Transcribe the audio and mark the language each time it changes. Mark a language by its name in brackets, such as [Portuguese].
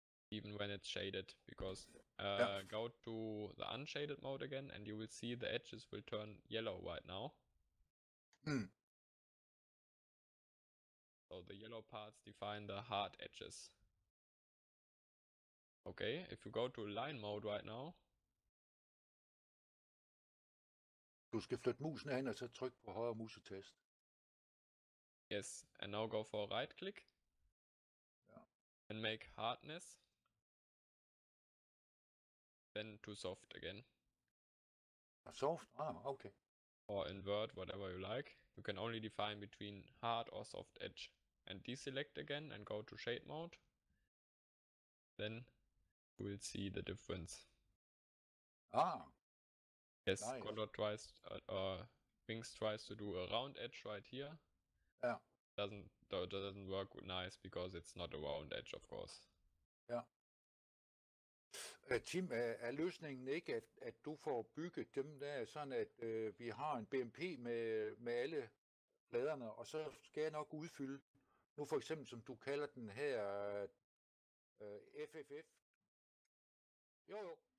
[English] Even when it's shaded, because go to the unshaded mode again, and you will see the edges will turn yellow right now. Mm. So the yellow parts define the hard edges. Okay, if you go to line mode right now. [Danish] Du skal flytte musen hen og så tryk på højre musetast. [English] Yes, and now go for right click. Yeah. And make hardness. Then to soft again. Soft? Ah, okay. Or invert, whatever you like. You can only define between hard or soft edge. And deselect again and go to shade mode. Then you will see the difference. Ah. Yes, nice. Condor tries, Wings tries to do a round edge right here. Yeah. Doesn't work nice because it's not a round edge, of course. Yeah. [Danish] Tim, er løsningen ikke, at du får bygget dem der, sådan at vi har en BMP med alle pladerne, og så skal jeg nok udfylde, nu for eksempel som du kalder den her FFF. Jo.